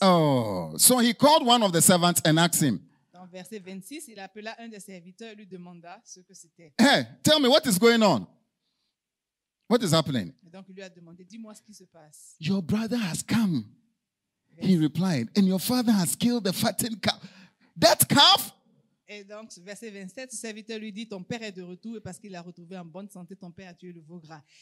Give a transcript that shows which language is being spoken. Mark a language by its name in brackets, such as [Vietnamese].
[English] Oh, so he called one of the servants and asked him. [French] Dans verset 26, il appela un des serviteurs et lui demanda ce que c'était. [English] Hey, tell me what is going on? What is happening? [French] Et donc il lui a demandé, dis-moi ce qui se passe. [English] Your brother has come. He replied, and your father has killed the fattened calf. That calf? [French] Et donc, verset 27, le serviteur lui dit, ton père est de retour, parce qu'il a retrouvé en bonne santé, ton père a tué le veau gras.